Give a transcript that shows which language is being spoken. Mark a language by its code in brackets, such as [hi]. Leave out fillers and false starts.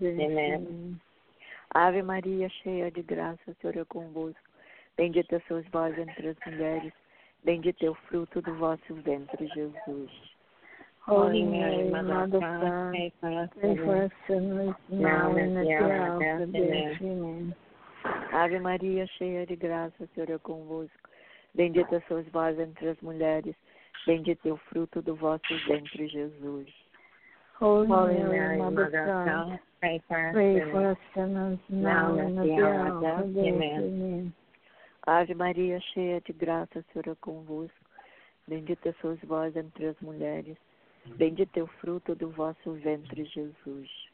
[pt] Amen. Ave Maria, cheia de graça, o Senhor é convosco. Bendita sois vós entre as mulheres. Bendito é o fruto do vosso ventre, Jesus. [en] Holy Mary, Mother of God, pray for us sinners, now and at the hour of death. [pt] Ave Maria, cheia de graça, o Senhor é convosco. Bendita sois vós entre as mulheres. Bendito é o fruto do vosso ventre, Jesus. [en] Holy Mary, Mother of God, pray for us sinners, now and at the hour of death. [pt] Amen. Ave Maria, cheia de graça, o Senhor é convosco. Bendita sois vós entre as mulheres. Bendito é o fruto do vosso ventre, Jesus.